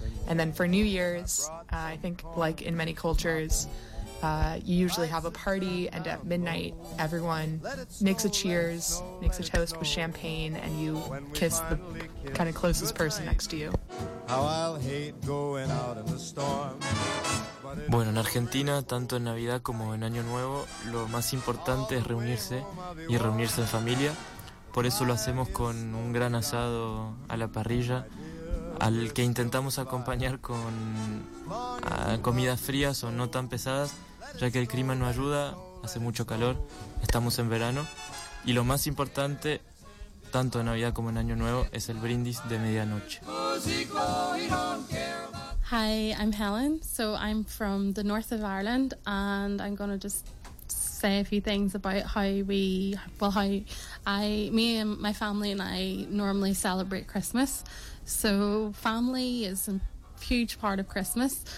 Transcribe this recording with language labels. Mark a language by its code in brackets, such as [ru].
[en] And then for New Year's, I think like in many cultures, you usually have a party, and at midnight, everyone makes a cheers, makes a toast with champagne, and you kiss the kind of closest person next to you. How I'll hate going out in the storm. [es] Bueno, en Argentina, tanto en Navidad como en Año Nuevo, lo más importante es reunirse y reunirse en familia. Por eso lo hacemos con un gran asado a la parrilla, al que intentamos acompañar con comidas frías o no tan pesadas, ya que el clima no ayuda, hace mucho calor, estamos en verano. Y lo más importante, tanto en Navidad como en Año Nuevo, es el brindis de medianoche. [en] Hi, I'm Helen. So I'm from the north of Ireland, and I'm going to just say a few things about me and my family and I normally celebrate Christmas. So family is a huge part of Christmas.